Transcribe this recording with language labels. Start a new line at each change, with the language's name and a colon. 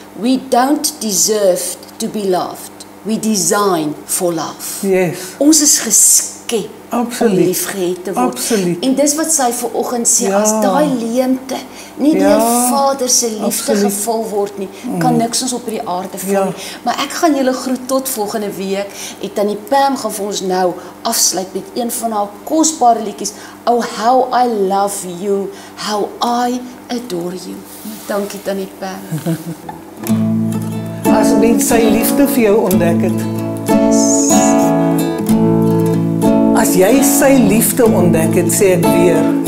English: We don't deserve to be loved. We design for love. Yes.
Afrikaans: Ons is geskep absoluut om liefgehet te word. Absoluut. En dis wat sy vanoggend sê, as daai leemte nie deur vader se liefde gevul word nie, kan niks ons op die aarde vul nie. Maar ek gaan julle groet tot volgende week, en Tannie Pam gaan vir ons nou afsluit met een van haar kosbare liedjies, Oh How I Love You, How I Adore You. Dankie Tannie Pam. As mens sy liefde vir jou ontdek het. As jy sy liefde ontdek het, sê ek weer.